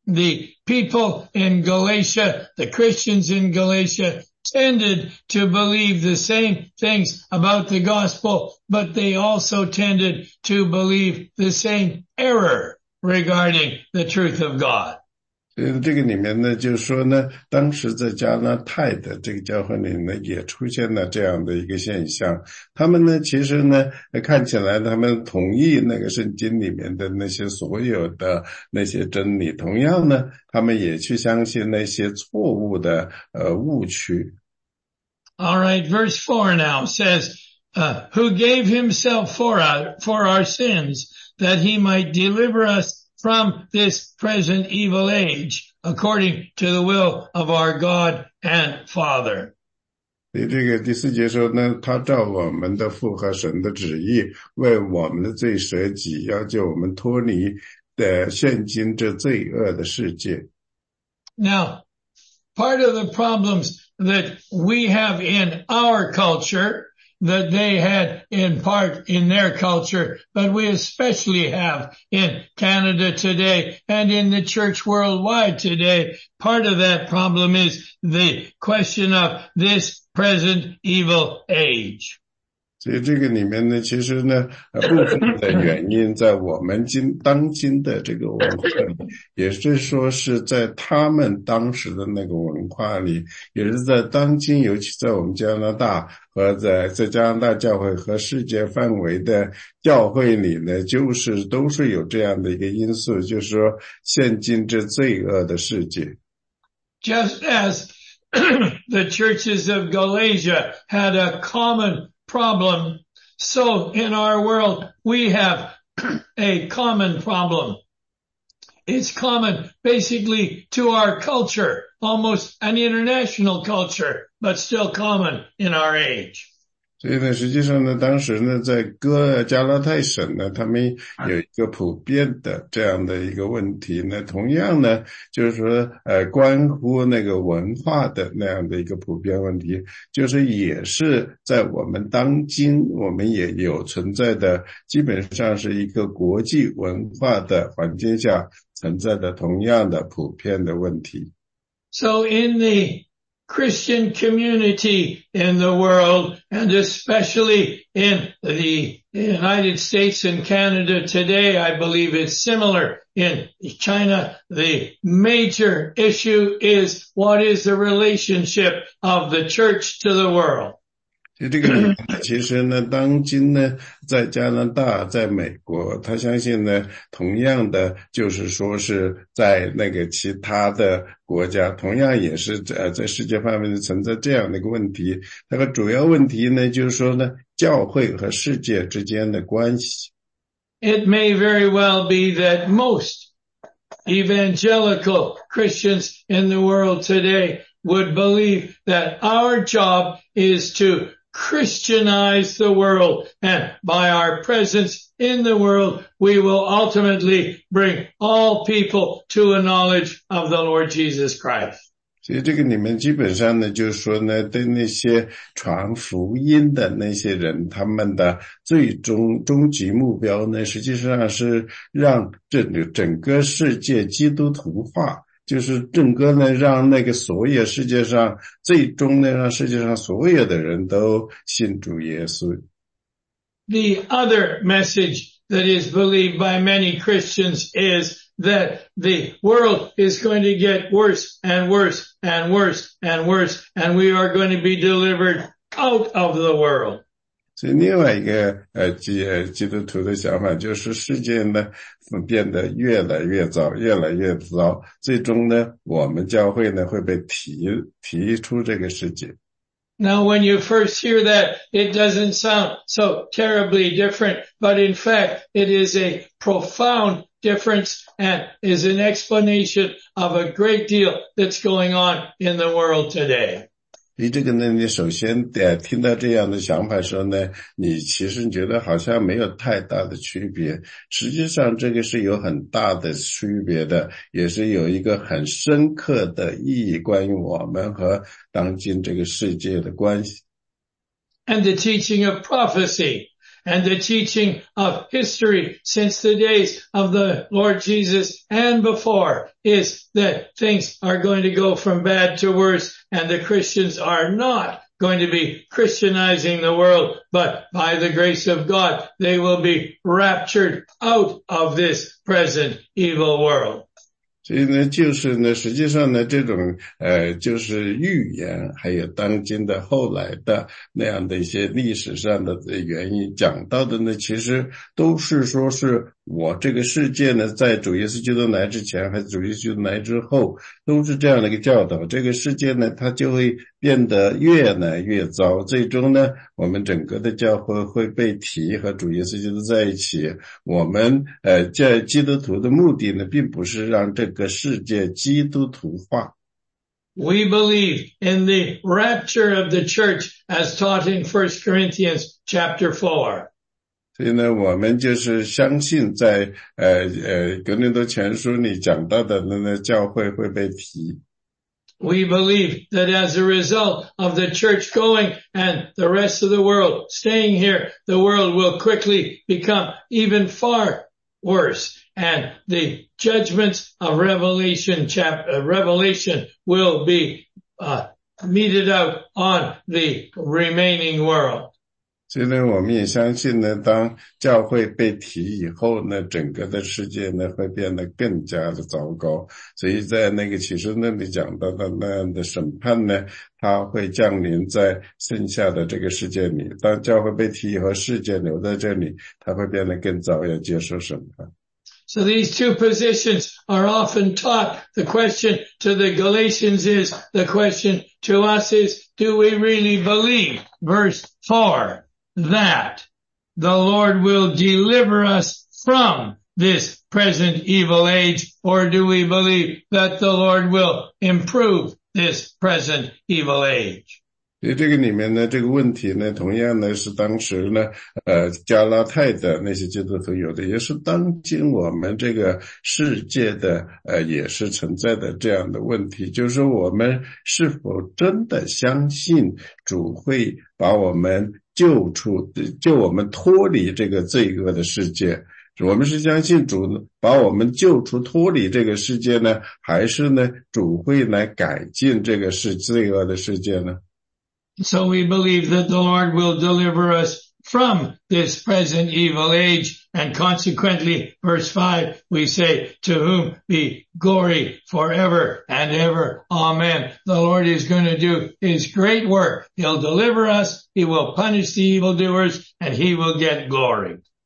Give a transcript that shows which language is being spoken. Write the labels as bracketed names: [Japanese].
[English] The people in Galatia, the Christians in Galatia, tended to believe the same things about the gospel, but they also tended to believe the same error regarding the truth of God. [Chinese] 所以这个里面呢，就是说呢，当时在加拿大的这个教会里呢，也出现了这样的一个现象。他们呢，其实呢，看起来他们同意那个圣经里面的那些所有的那些真理，同样呢，他们也去相信那些错误的误区。 [English] All right, verse 4 now says, "Who gave himself for our sins, that he might deliver us." From this present evil age, according to the will of our God and Father. [Chinese] 这个第四节说呢，他照我们的父和神的旨意，为我们的罪舍己，要救我们脱离的现今这罪恶的世界。 [English] Now, part of the problems that we have in our culture. That they had in part in their culture, but we especially have in Canada today and in the church worldwide today. Part of that problem is the question of this present evil age. [Chinese] 所以这个里面呢，其实呢，部分的原因在我们今当今的这个文化里，也是说是在他们当时的那个文化里，也是在当今，尤其在我们加拿大。和在加拿大教会和世界范围的教会里呢，就是都是有这样的一个因素，就是说现今这罪恶的世界。 [English] Just as the churches of Galatia had a common problem, so in our world we have a common problem. It's common basically to our culture. Almost an international culture, but still common in our age. [Chinese] 所以呢，实际上呢，当时呢，在加拉太省呢，他们有一个普遍的这样的一个问题呢，同样呢，就是说，关乎那个文化的那样的一个普遍问题，就是也是在我们当今，我们也有存在的，基本上是一个国际文化的环境下存在的同样的普遍的问题。 [English] So in the Christian community in the world, and especially in the United States and Canada today, I believe it's similar in China, the major issue is what is the relationship of the church to the world? [Chinese] 这个其实呢，当今呢，在加拿大，在美国，他相信呢，同样的就是说是在那个其他的国家，同样也是在世界范围内存在这样的一个问题。那个主要问题呢，就是说呢，教会和世界之间的关系。 [English] It may very well be that most evangelical Christians in the world today would believe that our job is toChristianize the world, and by our presence in the world, we will ultimately bring all people to a knowledge of the Lord Jesus Christ. [Chinese] 所以这个里面基本上呢，就是说呢，对那些传福音的那些人，他们的最终终极目标呢，实际上是让整个世界基督徒化。就是整个呢，让那个所有世界上，最终呢，让世界上所有的人都信主耶稣。 [English] The other message that is believed by many Christians is that the world is going to get worse and worse and worse and worse, and we are going to be delivered out of the world. [Chinese] 所以另外一个基督徒的想法就是世界呢变得越来越糟越来越糟，最终呢我们教会呢会被提出这个世界。 [English] Now when you first hear that, it doesn't sound so terribly different, but in fact, it is a profound difference and is an explanation of a great deal that's going on in the world today. [Chinese] 你这个呢你首先听到这样的想法的时候呢你其实觉得好像没有太大的区别。实际上这个是有很大的区别的，也是有一个很深刻的意义关于我们和当今这个世界的关系。 [English] And the teaching of prophecy, and the teaching of history since the days of the Lord Jesus and before is that things are going to go from bad to worse. And the Christians are not going to be Christianizing the world, but by the grace of God, they will be raptured out of this present evil world. [Chinese] 所以呢就是呢实际上呢这种就是预言还有当今的后来的那样的一些历史上的原因讲到的呢其实都是说是我这个世界呢在主耶稣基督来之前还是主耶稣基督来之后都是这样的一个教导，这个世界呢它就会变得越来越糟，最终呢我们整个的教会会被提和主耶稣基督在一起，我们在基督徒的目的呢并不是让这个世界基督徒化。 [English] We believe in the rapture of the church as taught in 1 Corinthians chapter 4. [Chinese] 所以呢我们就是相信在格林多前书里讲到的那个教会会被提。 [English] We believe that as a result of the church going and the rest of the world staying here, the world will quickly become even far worse and the judgments of Revelation will be meted out on the remaining world. [Chinese] 所以呢我们也相信呢当教会被提以后呢整个的世界呢会变得更加的糟糕。所以在那个启示那里讲到的那样的审判呢它会降临在剩下的这个世界里。当教会被提以后世界留在这里它会变得更糟要接受审判。 [English] So these two positions are often taught. The question to the Galatians is, the question to us is, do we really believe? Verse 4. That the Lord will deliver us from this present evil age, or do we believe that the Lord will improve this present evil age? [Chinese] 所以这个里面呢这个问题呢同样呢是当时呢加拉太的那些基督徒有的，也是当今我们这个世界的也是存在的这样的问题，就是我们是否真的相信主会把我们救我们脱离这个罪恶的世界，我们是相信主把我们救出脱离这个世界呢，还是呢主会来改进这个是罪恶的世界呢？ [English] So we believe that the Lord will deliver us from this present evil age, and consequently, verse 5, we say, to whom be glory forever and ever. Amen. The Lord is going to do his great work. He'll deliver us, he will punish the evildoers, and he will get glory.